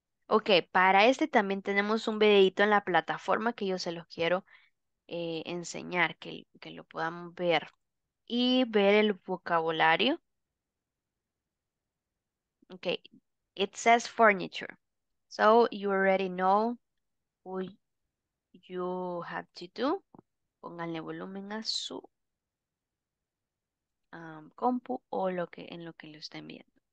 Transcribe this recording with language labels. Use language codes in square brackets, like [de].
[es] Ok, para este también tenemos un videito en la plataforma que yo se los quiero enseñar, que lo podamos ver y ver el vocabulario. [en] Ok, it says furniture. So, you already know what you have to do. [es] Pónganle volumen a su compu o lo que, en lo que lo estén viendo.